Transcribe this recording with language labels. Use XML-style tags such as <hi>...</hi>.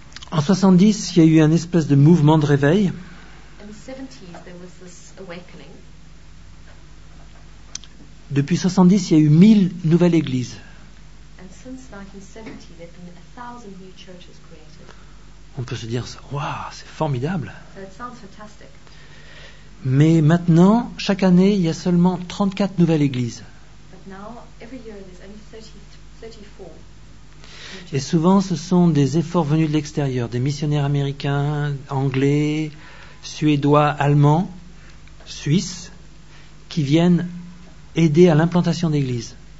<fr>En 70, il y a eu un espèce de mouvement de réveil.</fr> <en>In the 70s, there was this awakening.</en> <fr>Depuis 70, il y a eu 1000 nouvelles églises.</fr> <en>And since 1970, there have been 1,000 new churches created.</en> <fr>On peut se dire, waouh, c'est formidable.</fr> <en>So it sounds fantastic.</en> <fr>Mais maintenant, chaque année, il y a seulement 34 nouvelles églises.</fr> <en>But now, every year, there's only 34.</en> <fr>Et souvent, ce sont des efforts venus de l'extérieur, des missionnaires américains, anglais, suédois, allemands, suisses, qui viennent aider à l'implantation d'églises.</fr>